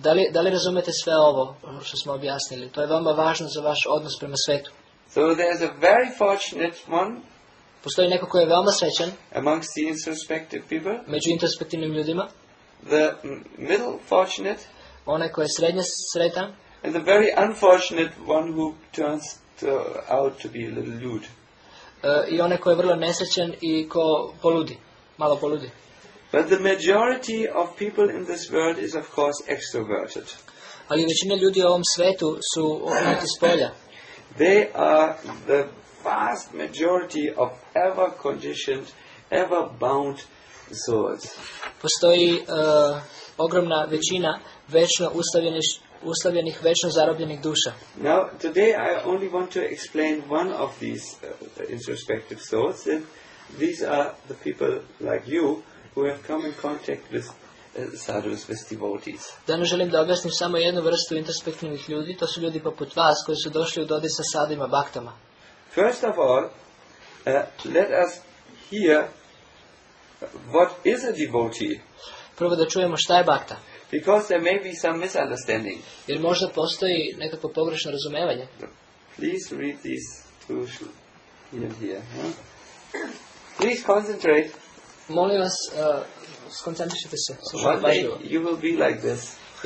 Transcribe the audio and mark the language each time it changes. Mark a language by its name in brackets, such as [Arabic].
[Serbian] Da li razumete sve ovo što smo objasnili? To je veoma važno za vaš odnos prema svetu. [English] So there's a very fortunate one. [Serbian] Postoji neko ko je veoma srećan. [English] Amongst the introspective people. [Serbian] Među introspektivnim ljudima. [English] The middle fortunate. [Serbian] Onaj ko je srednje sretan. [English] And the very unfortunate one who turns out to be a little lewd. [Serbian] I onaj ko je vrlo nesrećan i ko poludi. Malo poludi. [English] But the majority of people in this world is of course extroverted. [Serbian] Ali većina ljudi u ovom svetu su okrenuti spolja. [English] They are the vast majority of ever conditioned, ever bound souls. [Serbian] Postoji ogromna većina večno uslavljenih, večno zarobljenih duša. [English] Now, today I only want to explain one of these introspective souls, and these are the people like you, who have come in contact with sadhus, with devotees. [Serbian] Danas želim da objasnim samo jednu vrstu introspektivnih ljudi, to su ljudi poput vas koji su došli u dodir sa sadhima, baktama. [English] First of all, let us hear what is a devotee. [Serbian] Prvo da čujemo šta je bakta. [English] Because there may be some misunderstanding. [Serbian] Jer možda postoji nekako pogrešno razumevanje. [English] Please read these two here. Huh? Please concentrate. [Serbian] Molim vas, skoncentrišite se. [English] One day you will be like this.